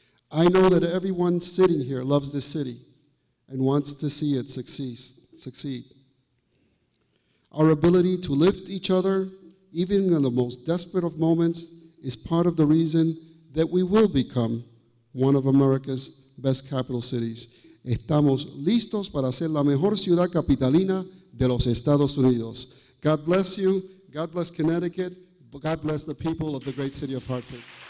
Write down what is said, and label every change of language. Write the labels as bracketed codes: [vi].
[en] I know that everyone sitting here loves this city and wants to see it succeed. Our ability to lift each other, even in the most desperate of moments, is part of the reason that we will become one of America's best capital cities. [es] Estamos listos para ser la mejor ciudad capitalina de los Estados Unidos. [en] God bless you. God bless Connecticut. God bless the people of the great city of Hartford.